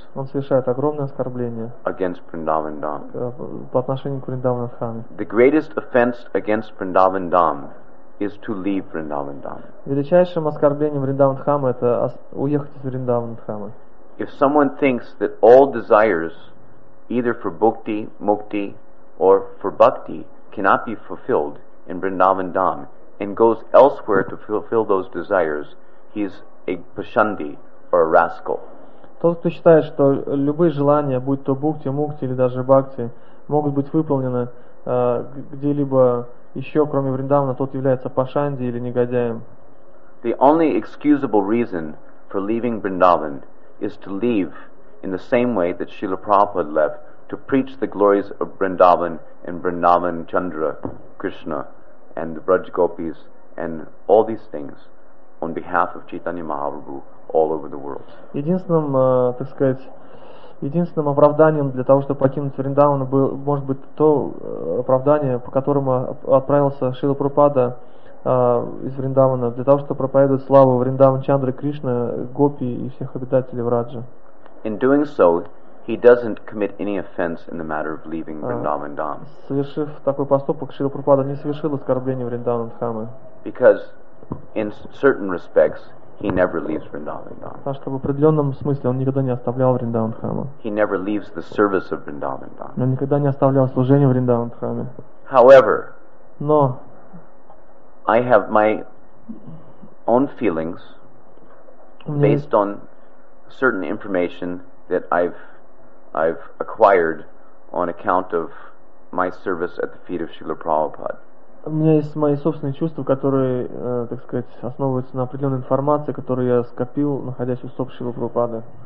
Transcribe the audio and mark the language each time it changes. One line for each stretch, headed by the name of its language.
Russian: Он совершает огромное оскорбление.
English: Against Vrindavan Dham.
Russian: По отношению к Вриндавана Дхаме.
English: The greatest offense against Vrindavan Dham is to leave Vrindavan Dham.
Russian: Величайшим оскорблением Вриндаван Дхамы это уехать из Вриндавана Дхамы.
English: If someone thinks that all desires, either for bhakti, mukti, or for bhakti, cannot be fulfilled in Vrindavan Dham, and goes elsewhere to fulfill those desires, he is a pashandi or a rascal.
Russian: Тот, кто считает, что любые желания, будь то бхакти, мукти или даже бхакти, могут быть выполнены где-либо еще, кроме Вриндавана, тот является пашанди или негодяем.
English: The only excusable reason for leaving Vrindavan is to leave in the same way that Srila Prabhupada left, to preach the glories of Vrindavan and Vrindavan Chandra, Krishna, and the Braj Gopis, and all these things on behalf of Chaitanya Mahaprabhu all over the world.
Russian: Единственным, так сказать, единственным оправданием для того, чтобы покинуть Вриндаван, может быть то оправдание, по которому отправился Шрила Прабхупада из Вриндавана, для того, чтобы проповедовать славу Вриндаван Чандры Кришны, Гопи и всех обитателей Враджа.
English: In doing so, he doesn't commit any offense in the matter of leaving Vrindavan Dham.
Russian: Совершив такой поступок, Шрила Прабхупада не совершил оскорбления Вриндавана Дхамы.
English: Because in certain respects, he never leaves Vrindavan Dham.
Russian: Потому что в определенном смысле он никогда не оставлял Вриндаван Дхамы.
English: He never leaves the service of Vrindavan Dham.
Russian: Он никогда не оставлял служение Вриндаван Дхаме.
English: However,
Russian: но
English: I have my own feelings based on certain information that I've acquired on account of my service at the feet of Srila Prabhupada.
Russian: У меня есть мои собственные чувства, которые, так сказать, основываются на определенной информации, которую я скопил, находясь у стоп Шрилы Прабхупады.